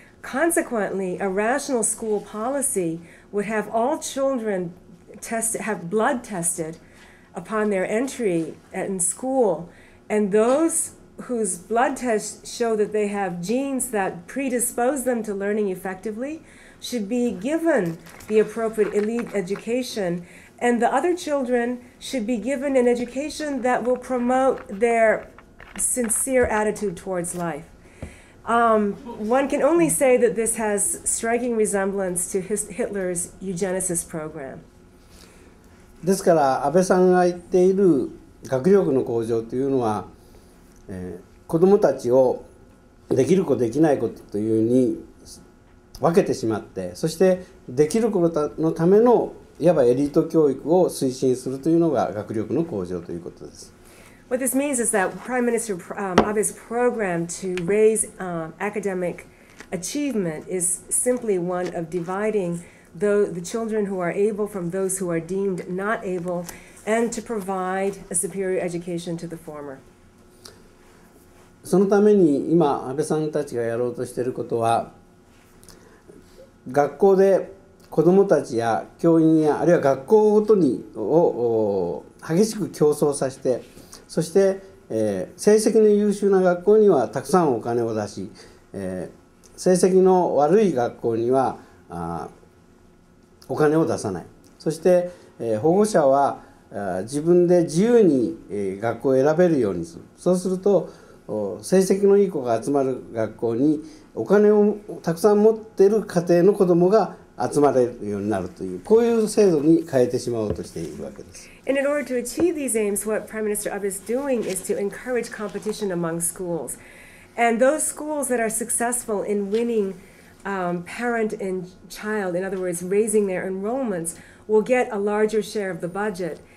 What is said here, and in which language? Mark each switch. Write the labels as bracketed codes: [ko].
[en] Consequently, a rational school policy would have all children have blood tested upon their entry in school, and those whose blood tests show that they have genes that predispose them to learning effectively should be given the appropriate elite education, and the other children should be given an education that will promote their sincere attitude towards life. One can only say that this has striking resemblance to Hitler's eugenicist program. [ja] ですから安倍さんが言っている学力の向上というのは、子どもたちをできる子できない子というふうに分けてしまって、そしてできる子のためのいわばエリート教育を推進するというのが学力の向上ということです。 [en] What this means is that Prime Minister Abe's program to raise academic achievement is simply one of dividing the children who are able from those who are deemed not able, and to provide a superior education to the former. [ja] そのために今安倍さんたちがやろうとしていることは、学校で子どもたちや教員やあるいは学校ごとにを激しく競争させて、そして成績の優秀な学校にはたくさんお金を出し、成績の悪い学校にはお金を出さない、そして保護者は自分で自由に学校を選べるようにする、そうすると成績のいい子が集まる学校にお金をたくさん持っている家庭の子どもが集まれるようになるという、こういう制度に変えてしまおうとしているわけです。 [en] And in order to achieve these aims, what Prime Minister Abe is doing is to encourage competition among schools. And those schools that are successful in winning parent and child, in other words, raising their enrollments, will get a larger share of the budget.